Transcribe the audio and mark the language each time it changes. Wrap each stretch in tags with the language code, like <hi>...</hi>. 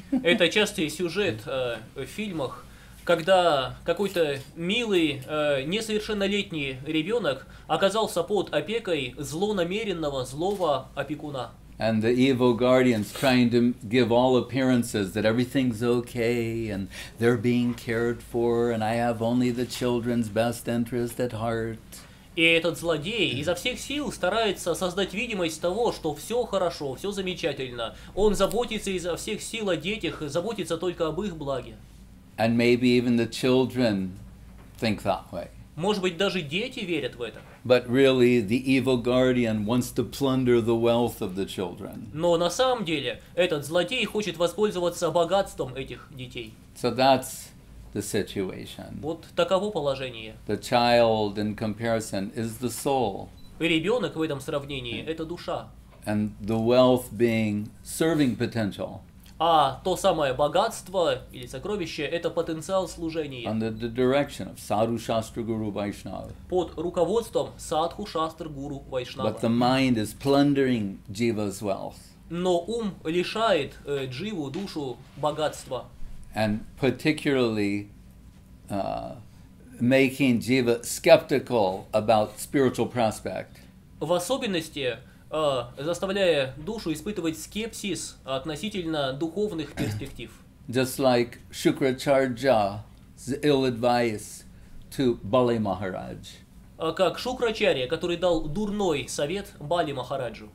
<ru>Это частый сюжет в фильмах, когда какой-то милый несовершеннолетний ребенок оказался под опекой злонамеренного злого опекуна.</ru> <en>And the evil guardian's trying to give all appearances that everything's okay and they're being cared for and I have only the children's best interest at heart.</en> <ru>И этот злодей изо всех сил старается создать видимость того, что все хорошо, все замечательно. Он заботится изо всех сил о детях, заботится только об их благе.</ru> <en>And maybe even the children think that way.</en> <ru>Может быть, даже дети верят в это.</ru> <en>But really, the evil guardian wants to plunder the wealth of the children.</en> <ru>Но на самом деле, этот злодей хочет воспользоваться богатством этих детей.</ru> <en>So that's the situation.</en> <ru>Вот таково положение.</ru> <en>The child, in comparison, is the soul.</en> <ru>Ребенок в этом сравнении — это душа.</ru> <en>And the wealth being serving potential.</en> <ru>А то самое богатство или сокровище — это потенциал служения.</ru> <en>Under the direction of Sadhu Shastra Guru Vaishnava.</en> <ru>Под руководством Sadhu Shastra Guru Vaishnava.</ru> <en>But the mind is plundering jiva's wealth.</en> <ru>Но ум лишает дживу, душу, богатства.</ru> <en>And particularly making jiva skeptical about spiritual prospect.</en> <ru>В особенности заставляя душу испытывать скепсис относительно духовных перспектив.</ru> <en>Just like Shukrachargya's ill advice to Bali Maharaj.</en> <ru>Как Шукрачарья, который дал дурной совет Бали Махараджу.</ru>